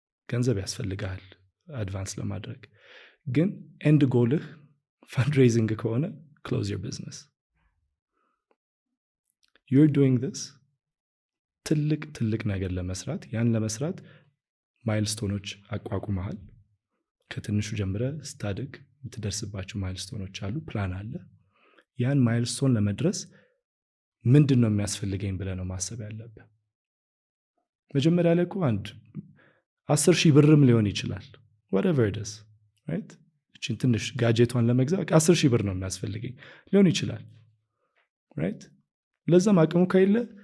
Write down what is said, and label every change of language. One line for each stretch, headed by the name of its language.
Amharic: ገንዘብ ያስፈልጋል አድቫንስ ለማድረግ.
English: ግን end goal fundraising
Amharic: ከሆነ
English: close your business. You're doing this
Amharic: ትልቅ ነገር ለመስራት, ያን ለመስራት milestones አቋቁመሃል. ከትንሹ ጀምረ ስታድግ ትደርስባቸው ማይልስቶኖች አሉ ፕላን አለ ያን ማይልስቶን ለመድረስ ምንድነው የሚያስፈልገኝ ብለ ነው ማሰብ ያለብህ መጀመሪያ ላይ እኮ አንድ 10000 ብርም ሊሆን ይችላል
English: whatever it is right
Amharic: እቺን ትንሽ ጋጀቷን ለመግዛት 10000 ብር ነው የሚያስፈልገኝ ሊሆን ይችላል right ለዛ ማቀሙ ከሌለ